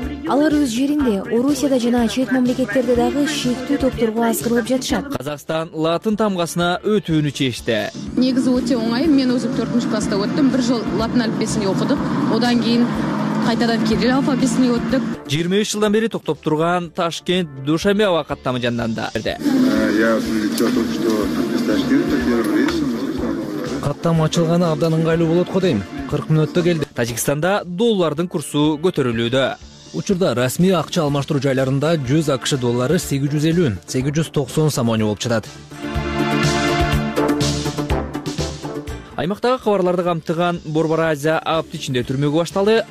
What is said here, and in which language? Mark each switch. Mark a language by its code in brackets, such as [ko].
[ky] Алар өз жеринде, Орусияда жана чет мамлекеттерде дагы шектүү топторго азгырылып жатышат. Казакстан латын тамгасына өтүүнү чечти. Негизи өтө оңой, мен өзүм 4-нчү класста өттүм, бир жыл латын алфавитине окудук. Одан кийин кайтадан кирилл алфавитине өттүк. 23 жылдан бери токтоп турган Ташкент Душанбе аба каттамы жанданды. [ru] Я прилетел, что из Ташкента первый рейс. [ky] Каттам ачылганы абдан ыңгайлуу болот го дейм. 40 мүнөттө келди. Тажикстанда доллардын курсу көтөрүлүүдө. Учурда расмий акча алмаштыруу жайларында 100 АКШ доллары 850, 890 самони болуп жатат. Аймактагы кабарларды камтыган Борбор Азия апты ичинде түрмөгү башталды.